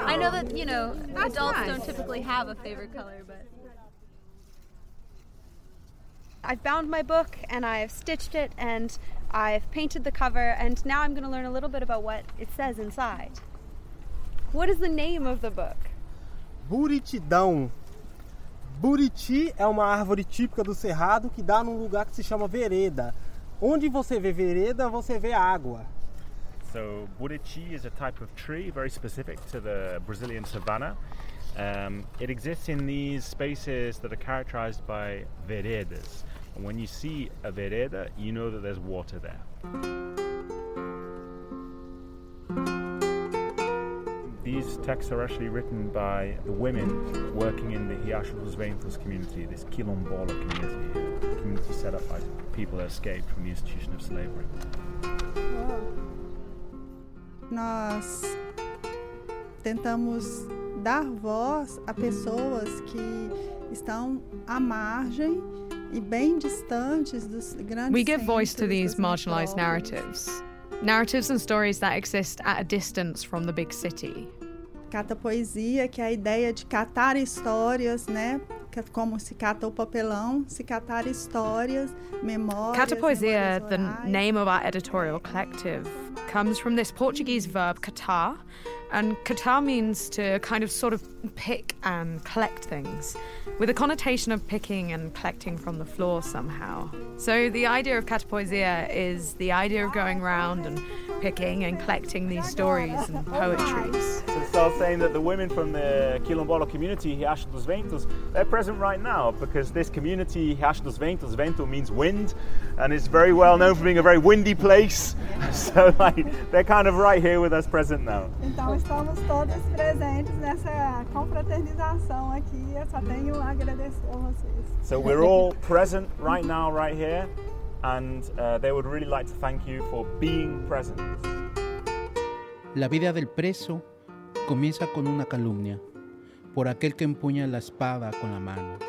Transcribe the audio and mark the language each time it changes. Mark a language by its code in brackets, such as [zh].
[en] I know that, you know, that's adults nice. Don't typically have a favorite color, but I've bound my book and I've stitched it and I've painted the cover and now I'm going to learn a little bit about what it says inside. What is the name of the book? Buritidão. [pt] Buriti é uma árvore típica do Cerrado que dá num lugar que se chama Vereda. Onde você vê Vereda, você vê água. [en] So, Buriti is a type of tree very specific to the Brazilian savanna. It exists in these spaces that are characterized by veredas. And when you see a vereda, you know that there's water there. These texts are actually written by the women working in the Riacho dos Ventos community, this Quilombola community, a community set up by people that escaped from the institution of slavery. [pt] Nós tentamos dar voz a pessoas que estão à margem e bem distantes dos grandes. [en] We give voice to these marginalized narratives. Narratives and stories that exist at a distance from the big city. [pt] Cata poesia, que é a ideia de catar histórias, né? Como se cata o papelão, se catar histórias, memórias. [en] Cata poesia, the name of our editorial collective, comes from this Portuguese verb catar, and catar means to kind of sort of pick and collect things, with a connotation of picking and collecting from the floor somehow. So the idea of cata poesia is the idea of going round and picking and collecting these stories and poetries. So it's all saying that the women from the Quilombola community, Riacho dos Ventos, they're present right now, because this community, Riacho dos Ventos, vento means wind, and it's very well known for being a very windy place. So like, they're kind of right here with us present now. [pt] Então estamos todos presentes nessa confraternização aqui. Eu só tenho a agradecer a vocês. [en] So we're all present right now, right here, and they would really like to thank you for being present. [es] La vida del preso comienza con una calumnia. Por aquel que empuña la espada con la mano.